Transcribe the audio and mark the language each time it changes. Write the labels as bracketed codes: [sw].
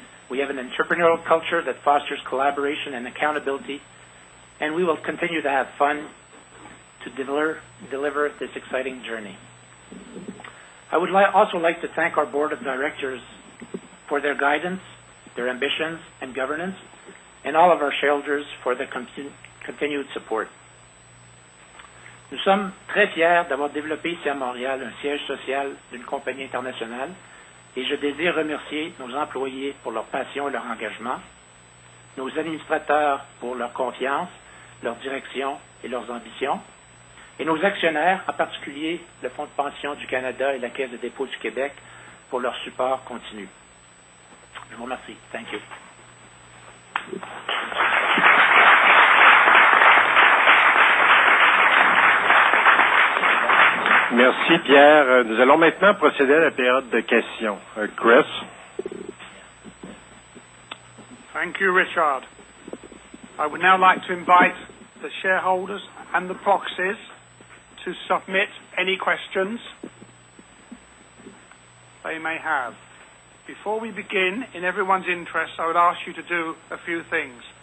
[en] We have an entrepreneurial culture that fosters collaboration and accountability, and we will continue to have fun to deliver this exciting journey. I would also like to thank our board of directors for their guidance, their ambitions, and governance, and all of our shareholders for their continued support. [fr] Nous sommes très fiers d'avoir développé ici à Montréal un siège social d'une compagnie internationale, et je désire remercier nos employés pour leur passion et leur engagement, nos administrateurs pour leur confiance, leur direction et leurs ambitions, et nos actionnaires, en particulier le Fonds de pension du Canada et la Caisse de dépôt du Québec, pour leur support continu. Je vous remercie. [en] Thank you. [fr] Merci, Pierre. Nous allons maintenant procéder à la période de questions. Chris. [en] Thank you, Richard. I would now like to invite the shareholders and the proxies to submit any questions they may have. Before we begin, in everyone's interest, I would ask you to do a few things.